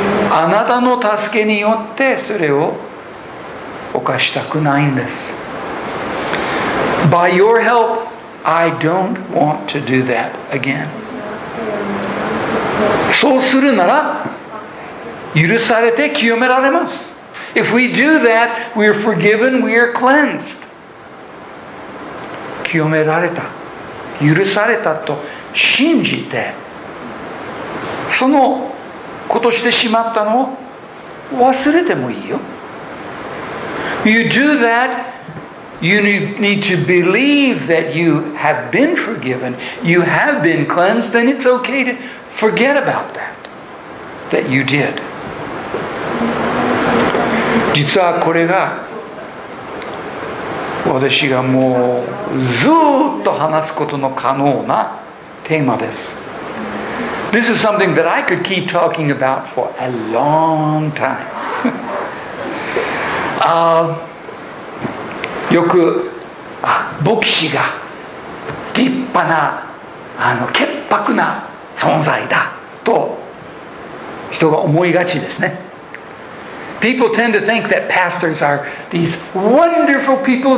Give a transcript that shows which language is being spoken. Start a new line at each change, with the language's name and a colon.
Japanese: あなたの助けによってそれを犯したくないんです。
English: By your help,I don't want to do that again.
Japanese: そうするなら許されて清められます。
English: If we do that, we are forgiven, we are cleansed.
Japanese: 清められた、許されたと信じて、そのことしてしまったのを忘れてもいいよ。
English: You do thatYou need to believe that you have been forgiven, you have been cleansed, then it's okay to forget about that, that you did.
Japanese: 実はこれが私がもうずっと話すことの可能なテーマです。
English: This is something that I could keep talking about for a long time.
Japanese: よく牧師が立派な潔白な存在だと人が思いがちですね。
English: People tend to think that pastors are these wonderful people.